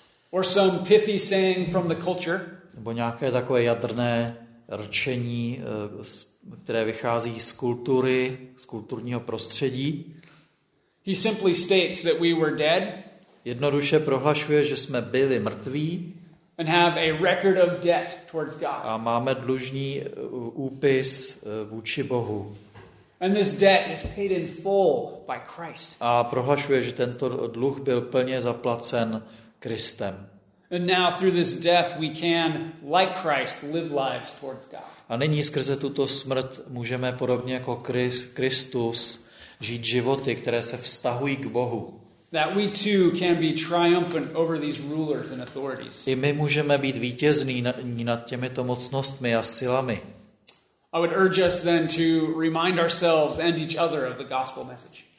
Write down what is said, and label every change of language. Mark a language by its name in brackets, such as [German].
[English] Or some pithy saying from the culture. [Czech] Nebo nějaké takové jadrné rčení, které vychází z kultury, z kulturního prostředí. [English] He simply states that we were dead. [Czech] Jednoduše prohlašuje, že jsme byli mrtví. [English] And have a record of debt towards God. [Czech] A máme dlužní úpis vůči Bohu. [English] And this debt is paid in full by Christ. [Czech] A prohlašuje, že tento dluh byl plně zaplacen Kristem. [English] And now through this death we can, like Christ, live lives towards God. [Czech] A nyní skrze tuto smrt můžeme podobně jako Kristus žít životy, které se vztahují k Bohu. [English] That we too can be triumphant over these rulers and authorities. [Czech] I my můžeme být vítězní nad těmito mocnostmi a silami. [English] I would urge us then to remind ourselves and each other of the gospel message.